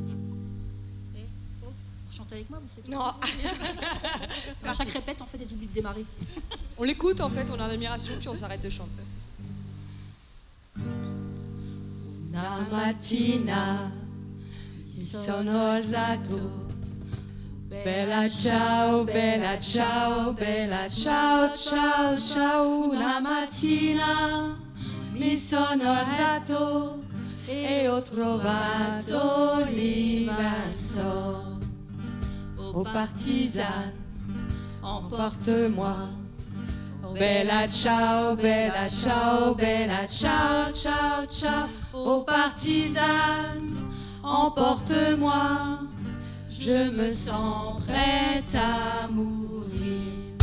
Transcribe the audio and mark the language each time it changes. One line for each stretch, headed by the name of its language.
French: répète avec moi, vous savez. Non. À chaque répète, on fait des oublis de démarrer. On l'écoute, en fait, on a l'admiration, puis on s'arrête de chanter.
Italian: Una mattina mi sono alzato. Bella ciao, bella ciao, bella ciao, ciao, ciao. Una mattina mi sono alzato e ho trovato l'invasor.
French: Au partisan, emporte-moi. Bella ciao, bella ciao, bella ciao, ciao, ciao. Au partisan, emporte-moi. Je me sens prête à mourir.